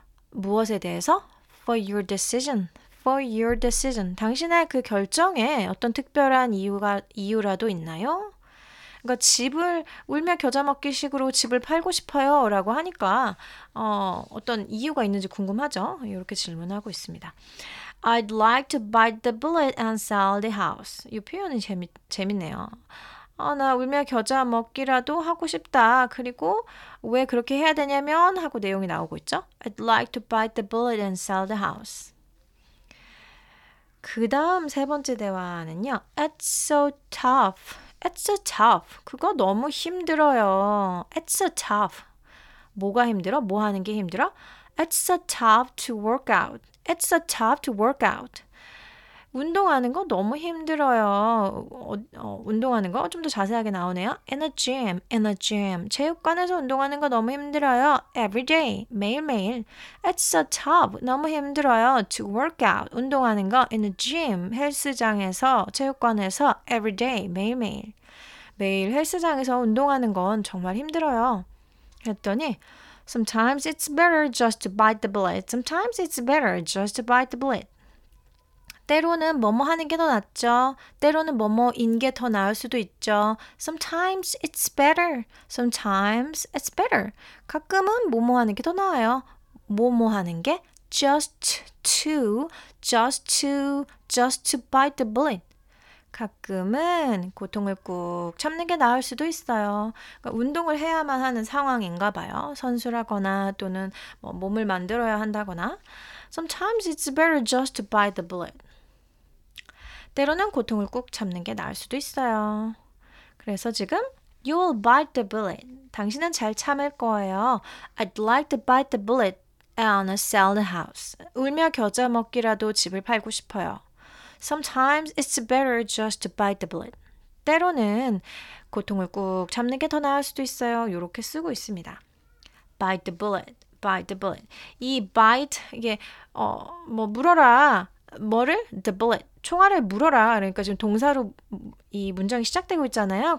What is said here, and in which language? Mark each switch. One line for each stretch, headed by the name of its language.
Korean: 무엇에 대해서?
English: For your decision. For your decision.
Korean: 당신의 그 결정에 어떤 특별한 이유라도 있나요? 그러니까 집을 울며 겨자 먹기 식으로 집을 팔고 싶어요 라고 하니까 어떤 이유가 있는지 궁금하죠? 이렇게 질문하고 있습니다.
English: I'd like to bite the bullet and sell the house.
Korean: 이 표현이 재밌네요. 나 울며 겨자 먹기라도 하고 싶다. 그리고 왜 그렇게 해야 되냐면 하고 내용이 나오고 있죠.
English: I'd like to bite the bullet and sell the house.
Korean: 그 다음 세 번째 대화는요.
English: It's so tough. It's so tough.
Korean: 그거 너무 힘들어요.
English: It's so tough.
Korean: 뭐가 힘들어? 뭐 하는 게 힘들어?
English: It's so tough to work out. It's so tough to work out.
Korean: 운동하는 거 너무 힘들어요. 운동하는 거 좀 더 자세하게 나오네요.
English: In a gym, in a gym.
Korean: 체육관에서 운동하는 거 너무 힘들어요.
English: Every day,
Korean: 매일매일.
English: It's so tough.
Korean: 너무 힘들어요.
English: To work out.
Korean: 운동하는 거
English: in a gym,
Korean: 헬스장에서, 체육관에서
English: every day,
Korean: 매일매일. 매일 헬스장에서 운동하는 건 정말 힘들어요. 했더니
English: Sometimes it's better just to bite the bullet. Sometimes it's better just to bite the bullet.
Korean: 때로는 뭐뭐 하는 게 더 낫죠. 때로는 뭐뭐인 게 더 나을 수도 있죠.
English: Sometimes it's better. Sometimes it's better.
Korean: 가끔은 뭐뭐 하는 게 더 나아요. 뭐뭐 하는 게?
English: Just to bite the bullet.
Korean: 가끔은 고통을 꾹 참는 게 나을 수도 있어요. 그러니까 운동을 해야만 하는 상황인가 봐요. 선수라거나 또는 뭐 몸을 만들어야 한다거나.
English: Sometimes it's better just to bite the bullet.
Korean: 때로는 고통을 꾹 참는 게 나을 수도 있어요. 그래서 지금
English: You will bite the bullet.
Korean: 당신은 잘 참을 거예요.
English: I'd like to bite the bullet and sell the house.
Korean: 울며 겨자 먹기라도 집을 팔고 싶어요.
English: Sometimes it's better just to bite the bullet.
Korean: 때로는 고통을 꾹 참는 게 더 나을 수도 있어요. 이렇게 쓰고 있습니다.
English: Bite the bullet. Bite the bullet.
Korean: 이 bite 이게 뭐 물어라. 뭐를?
English: The bullet.
Korean: 총알을 물어라. 그러니까 지금 동사로 이 문장이 시작되고 있잖아요.